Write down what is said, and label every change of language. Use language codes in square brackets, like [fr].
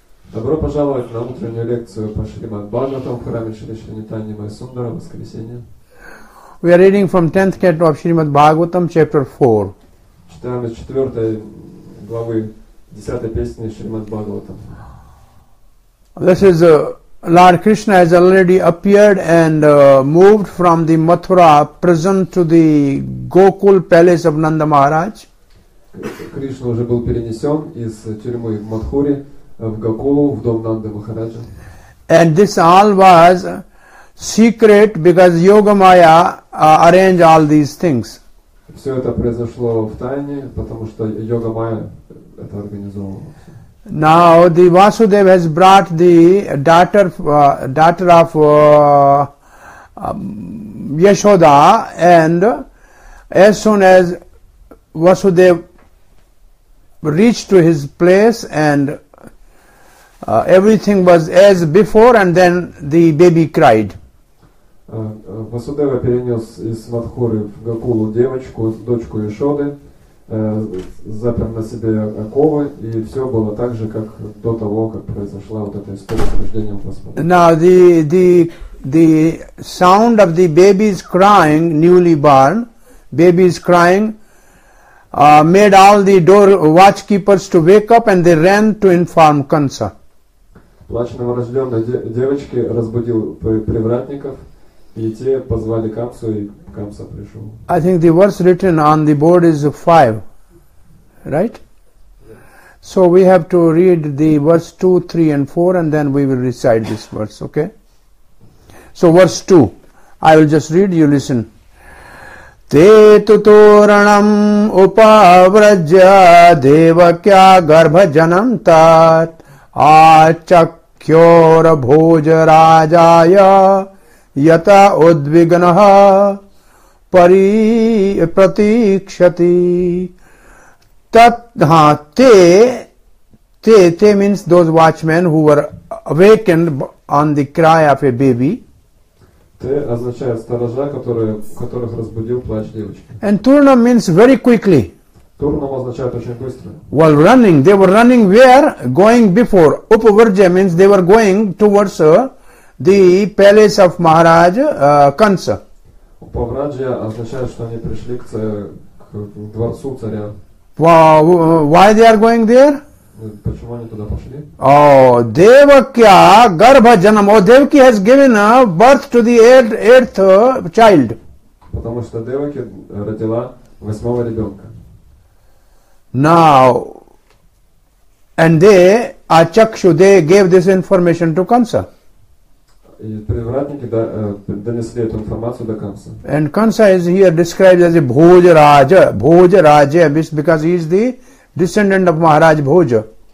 [ru] Добро пожаловать на утреннюю лекцию по Шримад Бхагаватам в храме Шри Шри Нитайи Майя Сундара воскресенье. [en] We are reading from 10th canto of Shrimad Bhagavatam, chapter 4. [ru] Читаем из 4 главы 10 песни Шримад Бхагаватам. [en] This is a Lord Krishna has already appeared and moved from the Mathura prison to the Gokul palace of Nanda Maharaj. [ru] Krishna уже был перенесен из тюрьмы в Мадхуре в Гокулу, в дом Нанды Махараджа. [en] And this all was secret because Yogamaya arranged all these things. [ru] Все это произошло в тайне, потому что Йогамая это организовала. [en] Now the Vasudeva has brought the daughter of Yashoda, and as soon as Vasudeva reached to his place, and everything was as before, and then the baby cried. [ru] Vasudeva перенес из Мадхуры в Гокулу девочку, дочку Яшоды. Запер на себе оковы, и все было так же, как до того, как произошла вот эта история с рождением Господа. [en] Now the sound of the baby's crying, newly born, baby's crying, made all the door watchkeepers to wake up, and they ran to inform Kansa. [ru] Плач новорожденной девочки разбудил привратников. И те позвали Камсу, и Камса пришел. [en] I think the verse written on the board is 5, right? Yes. So we have to read the verse 2, 3 and 4, and then we will recite this verse, okay? So verse 2, I will just read, you listen. [sa] Te tu toranam upavrajya devakya garbha janam tat achakyor bhoj rajaya yata udviganaha pari pratikshati tat te [en] means those watchmen who were awakened on the cry of a baby. [ru] Te означает сторожа, которых разбудил плач девочки. [en] And turnam means very quickly. [ru] Turnam означает очень быстро. [en] While running, they were running where? Going before. Upavarja means they were going towards the palace of Maharaj Kansa. [ru] Upavrajya означает, что они пришли к дворцу царя. [en] Why they are going there? [ru] Почему они туда пошли? [sa] Oh, Devakya garbha janam. [en] Oh, Devaki has given birth to the eighth child. [ru] Потому что Деваки родила восьмого ребенка. [en] Now, and they, Achakshu, they gave this information to Kansa. [ru] И привратники донесли эту информацию до Канса. [en] And Kansa is here described as a Bhojaraja, because he is the descendant of Maharaj Bhoja.